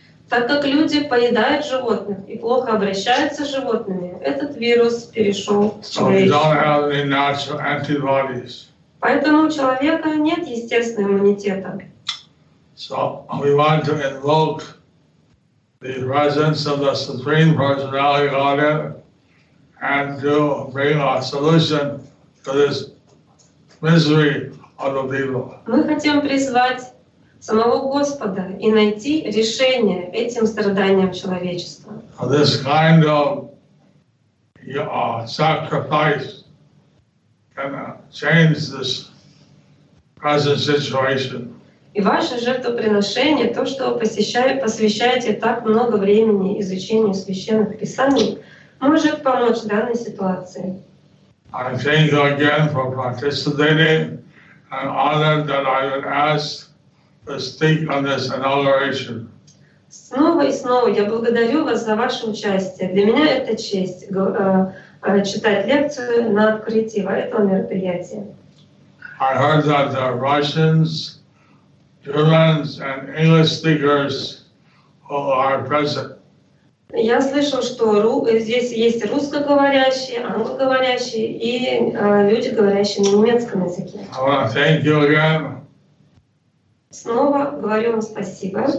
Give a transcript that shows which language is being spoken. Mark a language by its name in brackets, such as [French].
[Russian] Так как люди поедают животных и плохо обращаются с животными, этот вирус перешел в человека. Поэтому у человека нет естественного иммунитета. [English] So we want to invoke the presence of the Supreme Personality Godhead and to bring a solution to this misery of the people. [Russian] Мы хотим призвать самого Господа и найти решение этим страданиям человечества. [English] This kind of sacrifice can change this present situation. [Russian] И ваше жертвоприношение, то, что вы посвящаете так много времени изучению священных писаний, может помочь данной ситуации. [English] I thank you again for participating and honored that I would ask speak on this inauguration. [Russian] Снова и снова я благодарю вас за ваше участие. Для меня это честь читать лекцию на открытии этого мероприятия. [English] I heard that the Russians, Germans, and English speakers are present. [Russian] Я слышал, что здесь есть русскоговорящие, англоговорящие и люди, говорящие на немецком языке. [English] Thank you again. [Russian] Снова говорю вам спасибо.